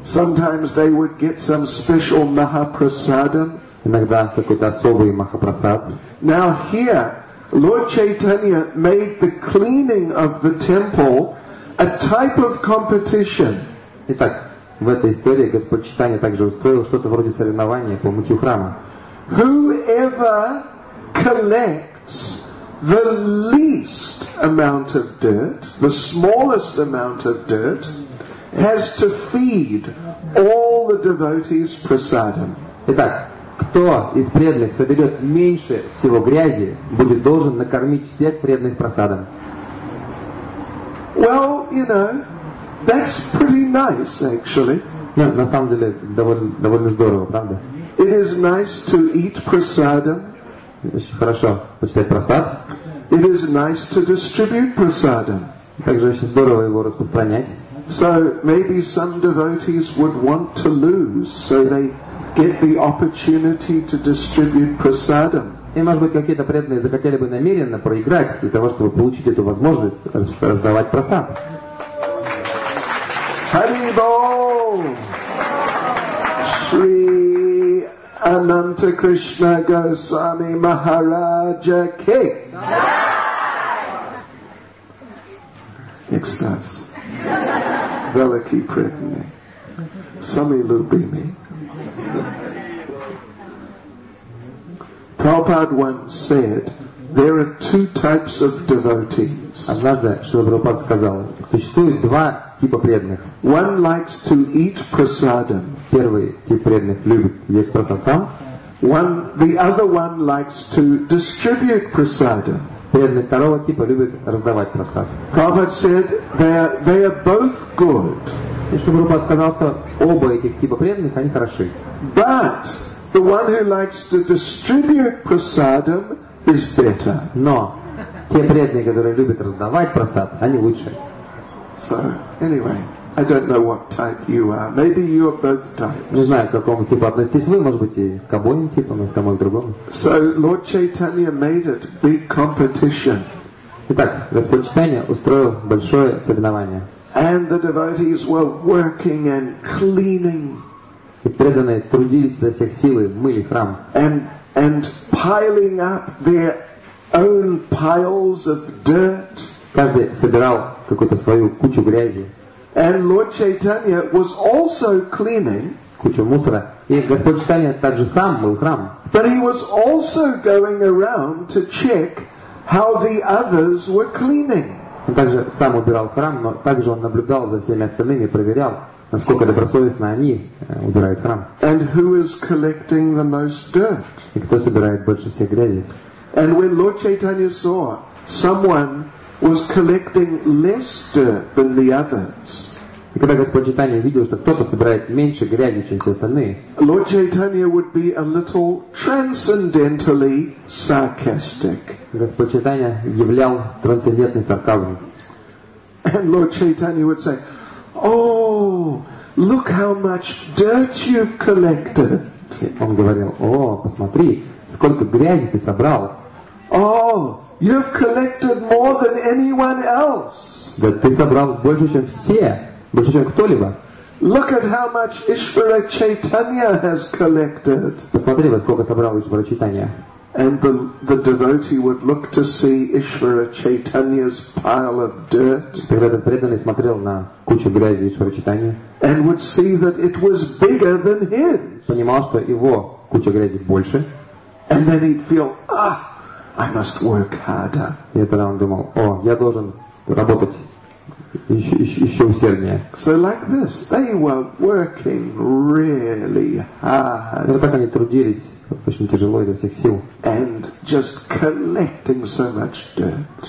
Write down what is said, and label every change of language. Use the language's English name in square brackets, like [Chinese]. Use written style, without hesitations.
[English] Sometimes they would get some special Mahaprasadam. [Russian] Иногда какой-то особый Махапрасад. [English] Now here, Lord Chaitanya made the cleaning of the temple a type of competition. [Russian] Итак, в этой истории Господь Читания также устроил что-то вроде соревнования по мытью храма. [English] Whoever collects the least amount of dirt, the smallest amount of dirt, has to feed all the devotees prasadam. [Russian] Итак, кто из преданных соберет меньше всего грязи, будет должен накормить всех преданных просадом. [English] Well, you know, that's pretty nice, actually. [Russian] Ну, на самом деле, довольно здорово, правда? [English] It is nice to eat prasadam. [Russian] Очень хорошо почитать просад. [English] It is nice to distribute prasadam. [Russian] Также очень здорово его распространять. [English] So, maybe some devotees would want to lose, so they get the opportunity to distribute prasadam. [Russian] И, может быть, какие-то преданные захотели бы намеренно проиграть для того, чтобы получить эту возможность раздавать прасад. Харибол! Шри Ананта Кришна Госвами Махараджа Ки! Экстаз! Велики преданные! Сами любими! [English] Prabhupada once said, there are two types of devotees. [Russian] Однажды Шрила Прабхупада сказал, существует два типа преданных. [English] One likes to eat prasadam. [Russian] Первый тип преданных любит есть прасад сам. [English] The other one likes to distribute prasadam. [Russian] Преданный второго типа любит раздавать прасад. [English] Prabhupada said, they are both good. [Russian] И Шрила Прабхупада сказал, что оба этих типа преданных, они хороши. [English] But the one who likes to distribute prasadam is better. [Russian] Но те преданные, которые любят раздавать прасад, они лучше. [English] So, anyway, I don't know what type you are. Maybe you are both types. [Russian] Не знаю, к какому типу относитесь вы, может быть, и к обоим типам, и к тому, и к другому. [English] So, Lord Chaitanya made it big competition. [Russian] Итак, Господь Читания устроил большое соревнование. [English] And the devotees were working and cleaning. [Russian] И преданные трудились со всех сил и мыли храм. [English] And piling up their own piles of dirt. [Russian] каждый собирал какую-то свою кучу грязи. [English] And Lord Chaitanya was also cleaning. [Russian] Кучу мусора. И Господь Чайтанья также сам мыл храм. [English] But he was also going around to check how the others were cleaning. [Russian] Он также сам убирал храм, но также он наблюдал за всеми остальными, проверял, насколько добросовестно они убирают храм. [English] And who is collecting the most dirt? [Russian] И кто собирает больше всех грязи? [English] And when Lord Chaitanya saw someone was collecting less dirt than the others. [Russian] И когда Господь Чайтанья видел, что кто-то собирает меньше грязи, чем все остальные, [English] Lord Chaitanya would be a little transcendentally sarcastic. [Russian] Господь Чайтанья являл трансцендентный сарказм. [English] And Lord Chaitanya would say, "Oh, look how much dirt you've collected." [Russian] Он говорил: "О, посмотри, сколько грязи ты собрал." [English] Oh, you've collected more than anyone else. [Russian] Да, ты собрал больше, чем все. Больше, чем кто-либо. [English] Look at how much Ishvara Chaitanya has collected. [Russian] Посмотри, вот сколько собрал Ishvara Chaitanya. [English] And the devotee would look to see Ishvara Chaitanya's pile of dirt. [Russian] Тогда этот преданный смотрел на кучу грязи Ishvara Chaitanya. [English] And would see that it was bigger than his. [Russian] Понимал, что его куча грязи больше. [English] And then he'd feel, ah, I must work harder. [Russian] И тогда он думал: о, я должен работать. Еще усерднее. [English] So like this, they were working really hard. [Russian] Вот так они трудились очень тяжело изо всех сил. [English] And just collecting so much dirt.